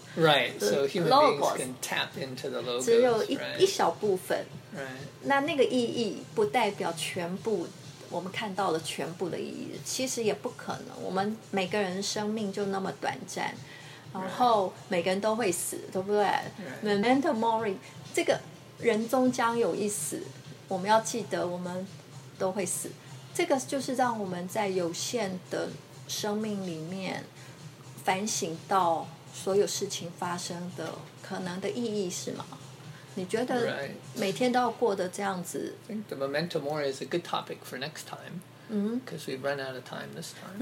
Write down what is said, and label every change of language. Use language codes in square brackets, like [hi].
[en] Right, so human logos, beings can tap into the logos [zh] 只有一小部分 [en] right. [zh] 那个意义不代表全部我们看到了全部的意义 其实也不可能 我们每个人生命就那么短暂 然后每个人都会死 对不对 [en] right. [zh] Memento mori 这个人终将有一死 我们要记得我们 都会死，这个就是让我们在有限的生命里面反省到所有事情发生的可能的意义，是吗？你觉得每天都要过得这样子？ [en] I think the memento mori is a good topic for next time. Because we've run out of time this time.